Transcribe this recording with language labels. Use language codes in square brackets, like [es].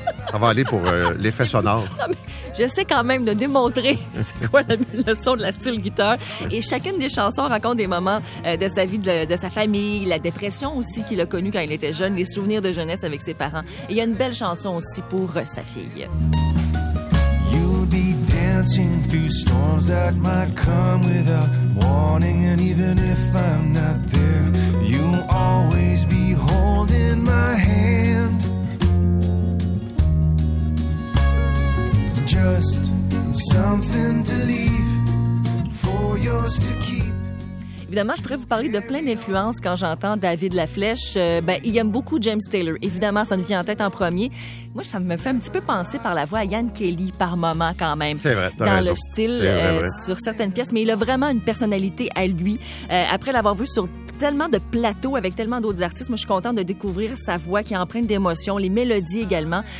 [fr] Ça va aller pour l'effet sonore. Non, mais j'essaie quand même de démontrer c'est quoi le son de la style guitare. Et chacune des chansons raconte des moments de sa vie, de sa famille, la dépression aussi qu'il a connue quand il était jeune, les souvenirs de jeunesse avec ses parents. Et il y a une belle chanson aussi pour sa fille. [en] You'll be dancing through storms that might come without warning. And even if I'm not there, you'll always be holding my hand. Just something to leave for yours to keep. [fr] Évidemment, je pourrais vous parler de plein d'influences quand j'entends David Laflèche. Il aime beaucoup James Taylor. Évidemment, ça nous vient en tête en premier. Moi, ça me fait un petit peu penser par la voix à Ian Kelly par moment quand même. C'est vrai, t'as dans raison. Le style vrai, sur certaines pièces. Mais il a vraiment une personnalité à lui. Après l'avoir vu sur tellement de plateaux avec tellement d'autres artistes, moi, je suis contente de découvrir sa voix qui est empreinte d'émotion, les mélodies également.